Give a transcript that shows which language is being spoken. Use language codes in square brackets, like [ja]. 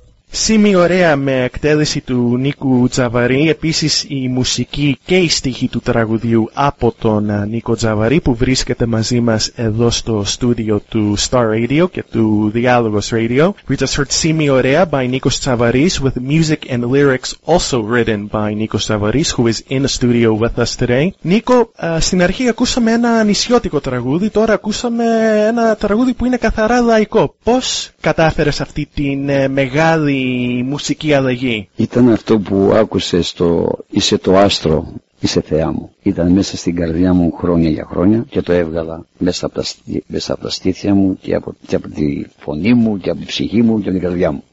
[el] Σίμι Ωραία με εκτέλεση του Νίκου Τσαβαρή, επίσης η μουσική και η στίχη του τραγουδιού από τον Νίκο Τσαβαρή που βρίσκεται μαζί μας εδώ στο στούδιο του Star Radio και του Dialogos Radio. [en] We just heard Σίμι Ωραία by Nikos Tsavaris with music and lyrics also written by Nikos Tsavaris who is in the studio with us today. [el] Νίκο, στην αρχή ακούσαμε ένα νησιώτικο τραγούδι, τώρα ακούσαμε ένα τραγούδι που είναι καθαρά λαϊκό. Πώς κατάφερες αυτή την μεγάλη μουσική αλλαγή? Ήταν αυτό που άκουσες στο «Είσαι το άστρο, είσαι θεά μου». Ήταν μέσα στην καρδιά μου χρόνια για χρόνια και το έβγαλα μέσα από τα στήθια μου και από τη φωνή μου και από τη ψυχή μου και από την καρδιά μου.